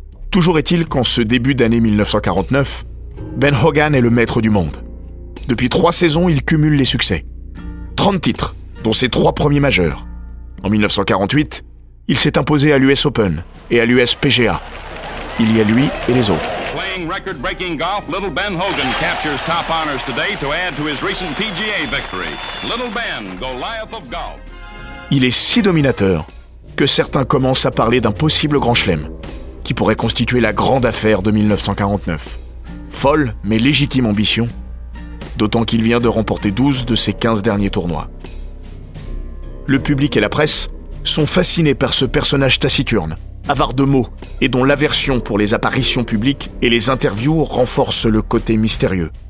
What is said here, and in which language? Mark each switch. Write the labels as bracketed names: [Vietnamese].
[French] Toujours est-il qu'en ce début d'année 1949, Ben Hogan est le maître du monde. Depuis 3 saisons, il cumule les succès. 30 titres, dont ses 3 premiers majeurs. En 1948, il s'est imposé à l'US Open et à l'US PGA. Il y a lui et les autres. [English] Playing record-breaking golf, Little Ben Hogan captures top honors today to add to his recent PGA victory. Little Ben, Goliath of golf. [French] Il est si dominateur que certains commencent à parler d'un possible grand chelem qui pourrait constituer la grande affaire de 1949. Folle mais légitime ambition, d'autant qu'il vient de remporter 12 de ses 15 derniers tournois. Le public et la presse sont fascinés par ce personnage taciturne, avare de mots et dont l'aversion pour les apparitions publiques et les interviews renforce le côté mystérieux.